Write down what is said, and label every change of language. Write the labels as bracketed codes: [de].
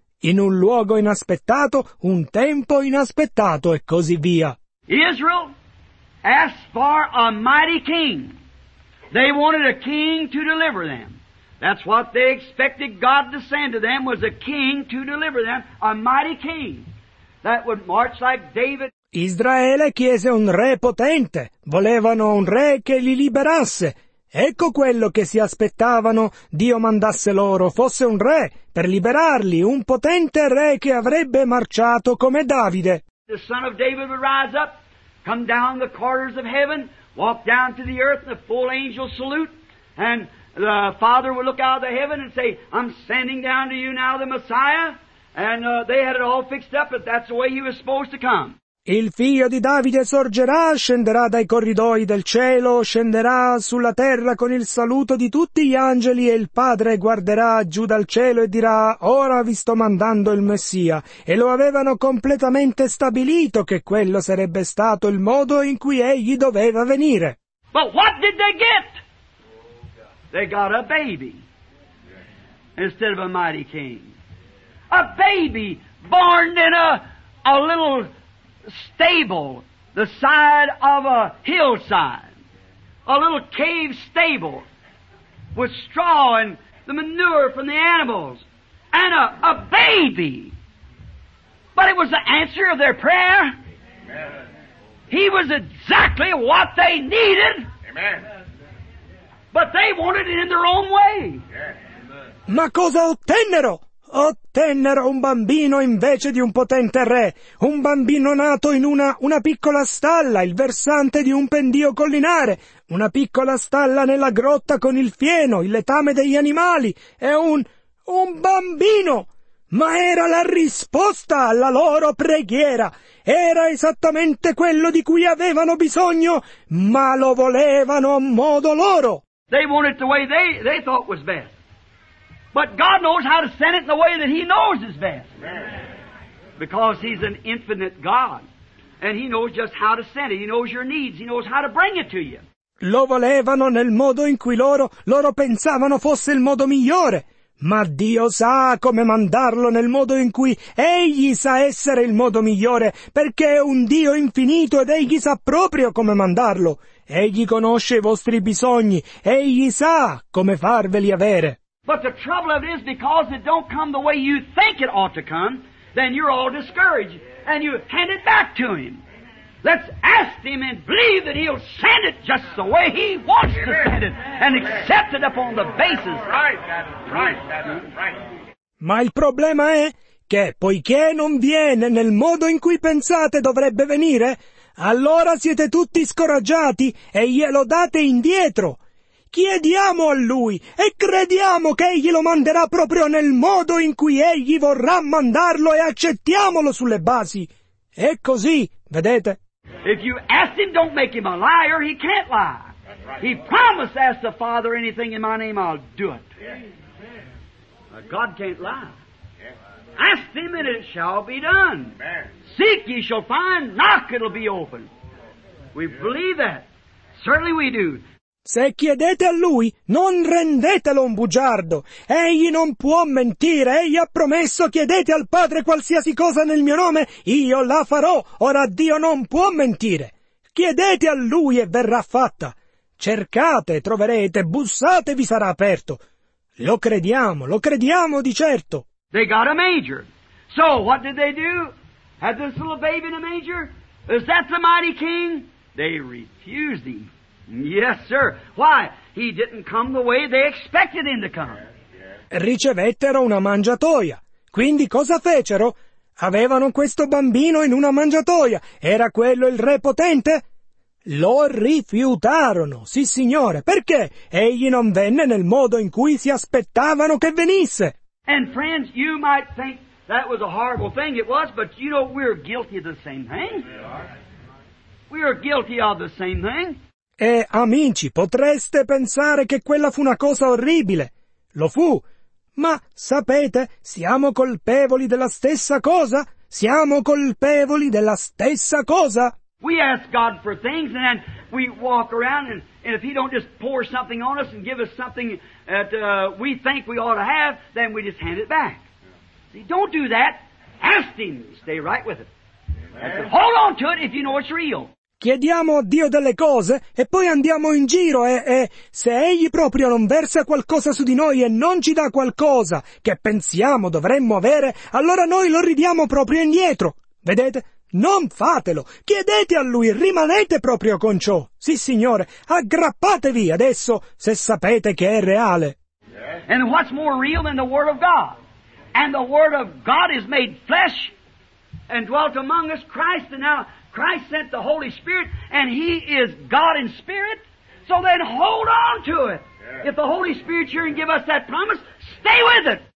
[it] In un luogo inaspettato, un tempo inaspettato e così via. [en] Israel asked for a mighty king. They wanted a king to deliver them. That's what they expected God to send to them, was a king to deliver them, a mighty king that would march like David. [it] Israele chiese un re potente. Volevano un re che li liberasse. Ecco quello che si aspettavano Dio mandasse loro, fosse un re per liberarli, un potente re che avrebbe marciato come Davide. [en] The son of David would rise up, come down the corridors of heaven, walk down to the earth, the full angel salute, and the Father would look out of the heaven and say, I'm sending down to you now the Messiah. And they had it all fixed up, but that's the way he was supposed to come. [it] Il figlio di Davide sorgerà, scenderà dai corridoi del cielo, scenderà sulla terra con il saluto di tutti gli angeli e il Padre guarderà giù dal cielo e dirà, ora vi sto mandando il Messia. E lo avevano completamente stabilito che quello sarebbe stato il modo in cui egli doveva venire. [en] But what did they get? They got a baby instead of a mighty king. A baby born in a little stable, the side of a hillside, a little cave stable with straw and the manure from the animals, and a baby. But it was the answer of their prayer. Amen. He was exactly what they needed. Amen. But they wanted it in their own way. Yeah. [it] Ma cosa ottennero? Ottennero un bambino invece di un potente re, un bambino nato in una piccola stalla, il versante di un pendio collinare, una piccola stalla nella grotta con il fieno, il letame degli animali, e un bambino! Ma era la risposta alla loro preghiera, era esattamente quello di cui avevano bisogno, ma lo volevano a modo loro! [en] They wanted the way they thought was best. But God knows how to send it in the way that He knows is best. Because He's an infinite God. And He knows just how to send it. He knows your needs. He knows how to bring it to you. [it] Lo volevano nel modo in cui loro pensavano fosse il modo migliore. Ma Dio sa come mandarlo nel modo in cui Egli sa essere il modo migliore. Perché è un Dio infinito ed Egli sa proprio come mandarlo. Egli conosce i vostri bisogni. Egli sa come farveli avere. [en] But the trouble of it is, because it don't come the way you think it ought to come, then you're all discouraged, and you hand it back to Him. Let's ask Him and believe that He'll send it just the way He wants to send it, and accept it upon the basis. Right, that's right, that's right. [it] Ma il problema è che, poiché non viene nel modo in cui pensate dovrebbe venire, allora siete tutti scoraggiati e glielo date indietro. Chiediamo a Lui e crediamo che Egli lo manderà proprio nel modo in cui Egli vorrà mandarlo e accettiamolo sulle basi. È così, vedete? [en] If you ask Him, don't make Him a liar, He can't lie. Right. He promised to ask the Father anything in my name, I'll do it. Yeah. God can't lie. Yeah. Ask Him and it shall be done. Man. Seek, ye shall find. Knock, it'll be open. We believe that. Certainly we do. [it] Se chiedete a Lui, non rendetelo un bugiardo. Egli non può mentire. Egli ha promesso, chiedete al Padre qualsiasi cosa nel mio nome, io la farò. Ora Dio non può mentire. Chiedete a Lui e verrà fatta. Cercate, troverete, bussate, vi sarà aperto. Lo crediamo di certo. [en] They got a manger. So, what did they do? Had this little baby in a manger? Is that the mighty king? They refused him. Yes, sir. Why? He didn't come the way they expected him to come. [it] Ricevettero una mangiatoia. Quindi cosa fecero? Avevano questo bambino in una mangiatoia. Era quello il re potente? Lo rifiutarono. Sì, signore. Perché? Egli non venne nel modo in cui si aspettavano che venisse. [en] And friends, you might think that was a horrible thing it was, but you know we're guilty of the same thing. We are guilty of the same thing. [it] E, amici, potreste pensare che quella fu una cosa orribile. Lo fu. Ma, sapete, siamo colpevoli della stessa cosa. Siamo colpevoli della stessa cosa. [en] We ask God for things and then we walk around and if He don't just pour something on us and give us something that we think we ought to have, then we just hand it back. See, don't do that. Ask Him. Stay right with it. Hold on to it if you know it's real. [it] Chiediamo a Dio delle cose e poi andiamo in giro e se Egli proprio non versa qualcosa su di noi e non ci dà qualcosa che pensiamo dovremmo avere, allora noi lo ridiamo proprio indietro. Vedete? Non fatelo! Chiedete a Lui, rimanete proprio con ciò! Sì, signore, aggrappatevi adesso se sapete che è reale. [en] And what's more real than the Word of God? And the Word of God is made flesh and dwelt among us, Christ, and now Christ sent the Holy Spirit, and He is God in spirit. So then hold on to it. If the Holy Spirit's here and give us that promise, stay with it.